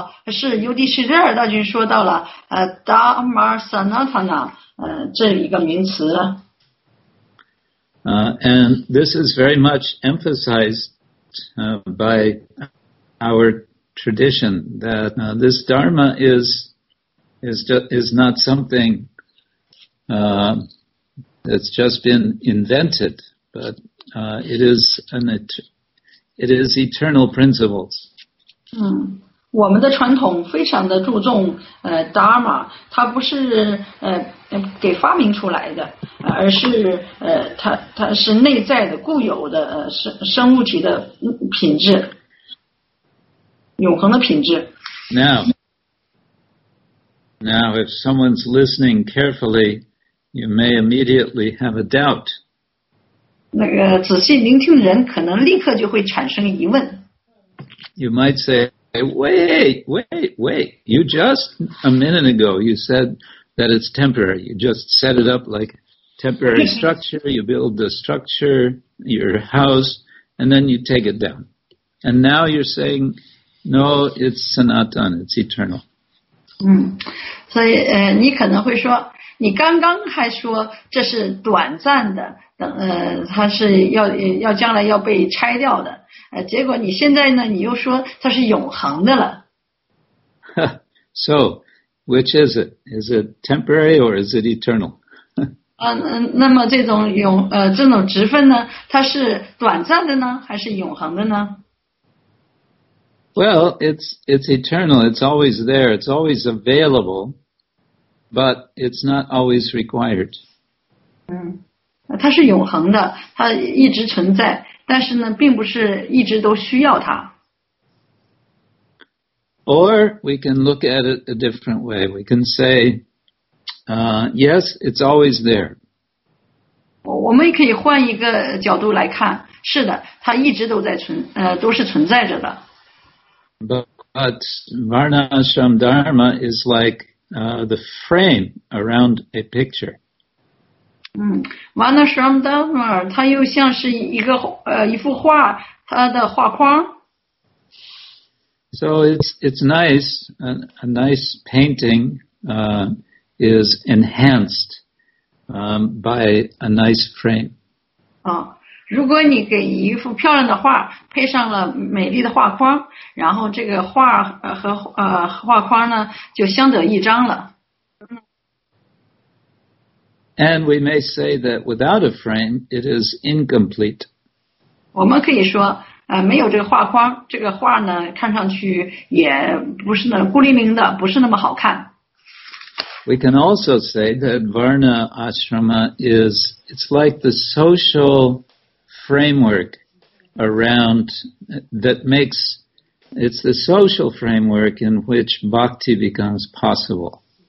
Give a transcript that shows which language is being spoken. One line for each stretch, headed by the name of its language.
Chinese: 是尤迪士日尔大军说到了达马萨纳塔纳这一个名词。
English: And this is very much emphasized by our tradition that this dharma is not something that's just been invented, but it is eternal principles.
Chinese: 我们的传统非常的注重Dharma， 它不是给发明出来的，而是它是内在的固有的生物体的品质，永恒的品质。
English: Now, if someone's listening carefully, you may immediately have a doubt.
Chinese: 那个仔细聆听人可能立刻就会产生疑问。
English: You might say. Wait, you just a minute ago you said that it's temporary. You just set it up like temporary structure. You build the structure, your house, and then you take it down. And now you're saying, no, it's sanatan, it's eternal.
Chinese: 所以你可能会说，你刚刚还说这是短暂的，它是要将来要被拆掉的。结果你现在呢？你又说它是永恒的了。
English: So, which is it? Is it temporary or is it eternal?
Chinese: 那么这种这种直分呢？它是短暂的呢，还是永恒的呢
English: ？Well, it's eternal. It's always there. It's always available, but it's not always required.
Chinese: 它是永恒的，它一直存在。但是呢，并不是一直都需要它。
English: Or we can look at it a different way. We can say, yes, it's always there.
Chinese: 我们可以换一个角度来看，是的，它一直都在都是存在着的。
English: But Varnashram Dharma is like the frame around a picture.
Chinese: Varnashram Dharma 它又像是一幅画，它的画框。
English: So it's nice, a nice painting is enhanced by a nice frame.
Chinese: 如果你给一幅漂亮的画配上了美丽的画框，然后这个画和画框呢就相得益彰了。
English: And we may say that without a frame, it is incomplete.
Chinese: 我们可以说，没有这个画框，这个画呢，看上去也不是那孤零零的，不是那么好看。
English: We can also say that Varna Ashrama is—it's like the social framework around that makes—it's the social framework in which bhakti becomes possible.